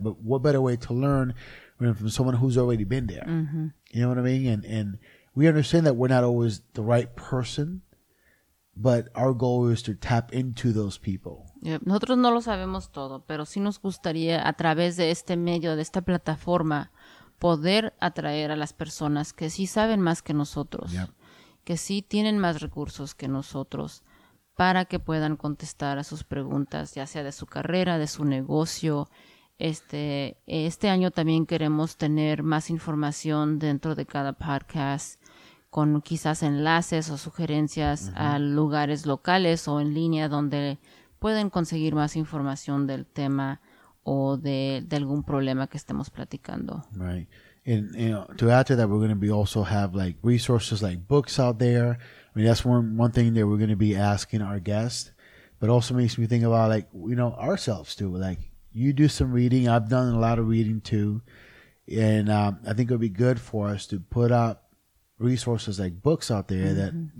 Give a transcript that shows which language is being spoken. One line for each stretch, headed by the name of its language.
English: But what better way to learn from someone who's already been there? Mm-hmm. You know what I mean? And we understand that we're not always the right person, but our goal is to tap into those people. Yep.
Spanish: Nosotros no lo sabemos todo, pero sí nos gustaría a través de este medio, de esta plataforma, poder atraer a las personas que sí saben más que nosotros,
English: yep.
Spanish: que sí tienen más recursos que nosotros, para que puedan contestar a sus preguntas, ya sea de su carrera, de su negocio. Este año también queremos tener más información dentro de cada podcast, con quizás enlaces o sugerencias uh-huh. a lugares locales o en línea donde pueden conseguir más información del tema o de algún problema que estemos platicando.
English: Right. And to add to that, we're going to be also have like resources like books out there. I mean, that's one thing that we're going to be asking our guests, but also makes me think about ourselves too. Like you do some reading. I've done a lot of reading too. And I think it would be good for us to put up resources like books out there mm-hmm.